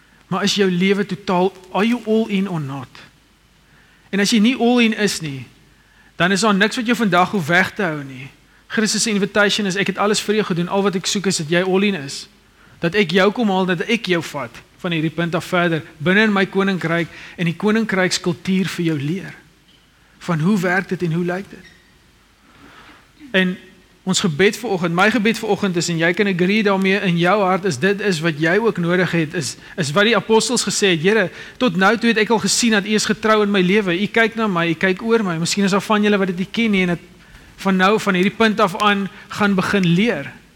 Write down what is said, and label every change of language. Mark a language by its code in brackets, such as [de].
[af] Maar is jou lewe totaal, [en] are you all in or not? [af] En as jy nie all in is nie, dan is daar niks wat jou vandag hoef weg te hou nie. Christus' invitation is, ek het alles vir jou gedoen, al wat ek soek is, dat jy all in is. Dat ek jou kom haal, dat ek jou vat, van hierdie punt af verder, binnen in my koninkryk, en die koninkrykskultuur vir jou leer. Van hoe werk dit en hoe lyk dit? En ons gebed vir oggend, my gebed vir oggend is, en jy kan agree daarmee in jou hart, is dit is wat jy ook nodig het, is wat die apostels gesê het, Here, tot nou toe het ek al gesien, dat u is getrou in my leven, u kyk na my, u kyk oor my, miskien is al van julle wat dit nie ken nie, en het van nou, van hierdie punt af aan, gaan begin leer.